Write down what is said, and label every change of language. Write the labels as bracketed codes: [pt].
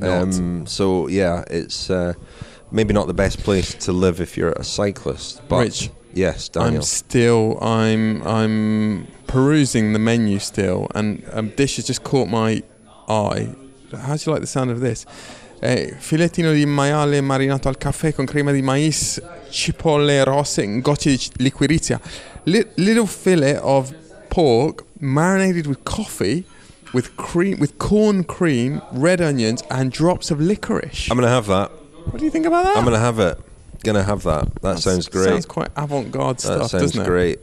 [en] Definitely not. So yeah, it's maybe not the best place to live if you're a cyclist. But Rich, yes, Daniel. I'm perusing the menu still, and dish has just caught my eye. How do you like the sound of this? [it] Filettino di maiale marinato al caffè con crema di mais, cipolle rosse, gocce di liquirizia. [en] Little fillet of pork marinated with coffee, with cream, with corn cream, red onions, and drops of licorice. I'm going to have that. What do you think about that? I'm going to have it. Going to have that. That sounds great. Sounds quite avant-garde stuff, doesn't it?